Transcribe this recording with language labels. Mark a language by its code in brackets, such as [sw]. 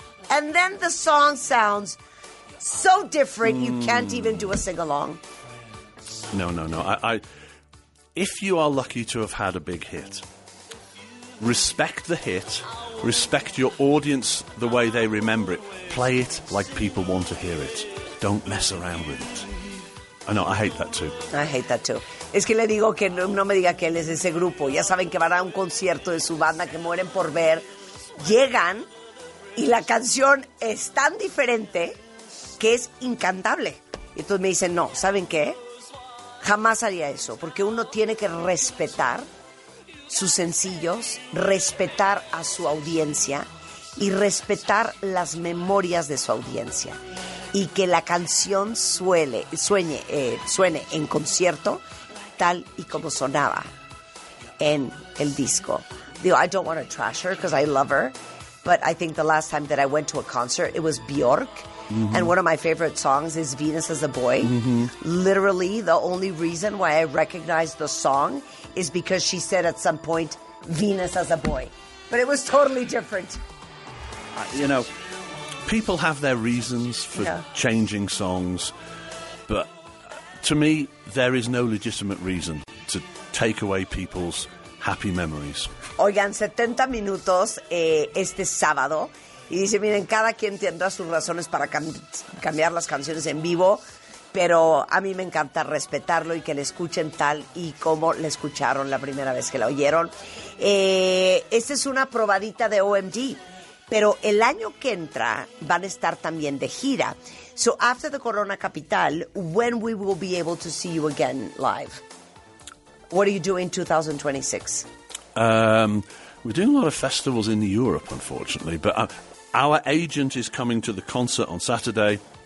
[en] And then the song sounds so different, you can't even do a sing-along. No. If you are lucky to have had a big hit, respect the hit, respect your audience the way they remember it. Play it like people want to hear it. Don't mess around with it. I know, I hate that too. I hate that too. [es] Es que le digo que no me diga que él es de ese grupo. Ya saben que van a un concierto de su banda que mueren por ver. Llegan y la canción es tan diferente que es incantable. Y entonces me dicen, no, ¿saben qué? Jamás haría eso. Porque uno tiene que respetar sus sencillos, respetar a su audiencia y respetar las memorias de su audiencia. Y que la canción suene en concierto tal y como sonaba en el disco. [en] Digo, I don't want to trash her because I love her, but I think the last time that I went to a concert, it was Bjork. Mm-hmm. And one of my favorite songs is Venus as a Boy. Mm-hmm. Literally, the only reason why I recognize the song is because she said at some point, Venus as a Boy. But it was totally different. You know, people have their reasons for changing songs. But to me, there is no legitimate reason to take away people's happy memories. [es] Oigan, 70 minutos este sábado. Y dice, miren, cada quien tendrá sus razones para cambiar las canciones en vivo. Pero a mí me encanta respetarlo y que le escuchen tal y como le escucharon la primera vez que la oyeron. Esta es una probadita de OMG, pero el año que entra van a estar también de gira. [en] So after the Corona Capital, when we will be able to see you again live? What are you doing in 2026? We're doing a lot of festivals in Europe, unfortunately, but our agent is coming to the concert on Saturday.